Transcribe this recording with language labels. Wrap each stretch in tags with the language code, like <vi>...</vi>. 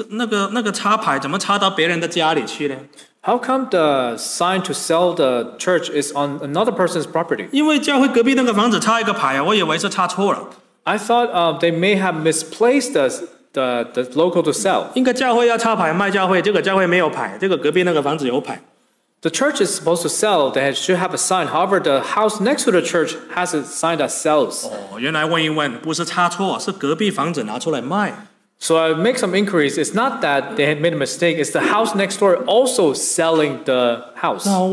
<zh>我一去的时候，我看到，咦，怎么那个插牌怎么插到别人的家里去呢？</zh> <en>How come the sign to sell the church is on another person's property?</en> <zh>因为教会隔壁那个房子插一个牌啊，我以为是插错了。</zh> <en>I thought they may have misplaced the local to sell.</en> <zh>应该教会要插牌卖教会，这个教会没有牌，这个隔壁那个房子有牌。</zh> <en>The church is supposed to sell. They should have a sign. However, the house next to the church has a sign that sells.</en> <zh>哦，原来问一问，不是插错，是隔壁房子拿出来卖。</zh> <en>So I make some inquiries. It's not that they had made a mistake. It's the house next door also selling the house.</en>